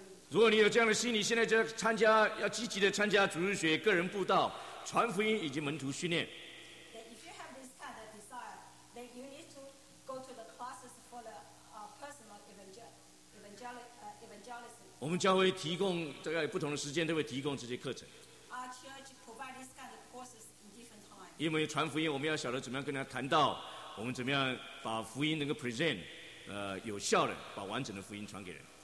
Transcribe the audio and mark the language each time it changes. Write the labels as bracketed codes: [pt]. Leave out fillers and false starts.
[zh] 如果你有这样的心，你现在就要参加，要积极的参加主日学、个人布道、传福音以及门徒训练。 [en] If you have this kind of desire, then you need to go to the classes for the personal evangelism. [zh] 我们教会提供大概不同的时间都会提供这些课程。 [en] Our church provides this kind of courses in different times. [zh] 因为传福音，我们要晓得怎么样跟人家谈到，我们怎么样把福音能够 present， 有效的把完整的福音传给人。